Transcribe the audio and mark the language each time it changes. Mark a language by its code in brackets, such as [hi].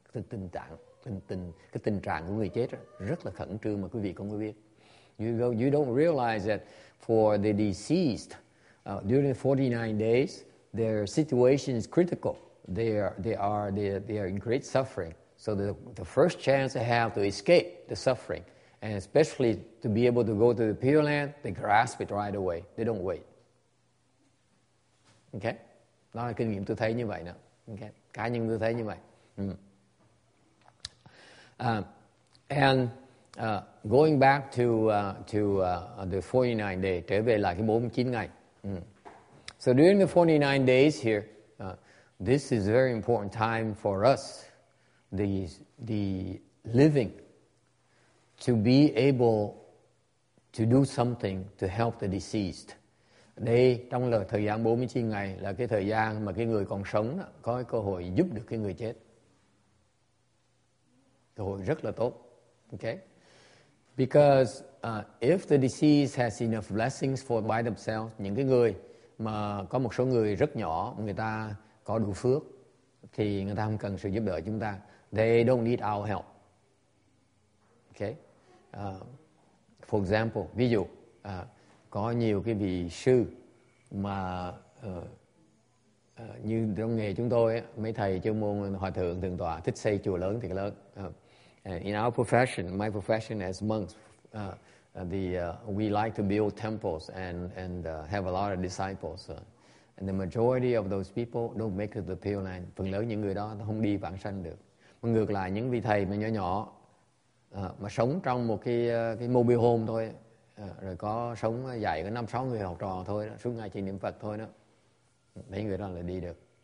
[vi] Tình trạng của người chết rất là khẩn trương, mà quý vị không có biết. [en] You don't realize that for the deceased, during 49 days, their situation is critical. They are in great suffering. So the first chance they have to escape the suffering, and especially to be able to go to the Pure Land, they grasp it right away. They don't wait. Okay? [vi] Đó là kinh nghiệm tôi thấy như vậy nè. Okay? Cá nhân tôi thấy như vậy. [en] Going back to the 49 day, [vi] trở về lại cái 49 ngày. [en] So during the 49 days here, this is a very important time for us, the living, to be able to do something to help the deceased. [vi] Đây trong là thời gian 49 ngày là cái thời gian mà cái người còn sống đó, có cái cơ hội giúp được cái người chết. Cơ hội rất là tốt. Okay? [en] Because if the deceased has enough blessings for by themselves, [vi] những cái người mà có một số người rất nhỏ, người ta có đủ phước, thì người ta không cần sự giúp đỡ chúng ta. [en] They don't need our help. Okay? For example, [vi] ví dụ, có nhiều cái vị sư mà như trong nghề chúng tôi, mấy thầy chuyên môn hòa thượng, thượng tọa, thích xây chùa lớn thì lớn. [en] In our profession, my profession as monks, we like to build temples and have a lot of disciples. And the majority of those people don't make it to the Pure Land. [vi] Phần lớn những người đó không đi vãng sanh được. Mà ngược lại, những vị thầy mà nhỏ nhỏ mà sống trong một cái mobile home thôi, rồi có sống dạy có 5-6 người học trò thôi, đó, suốt ngày chỉ niệm Phật thôi đó, mấy người đó là đi được.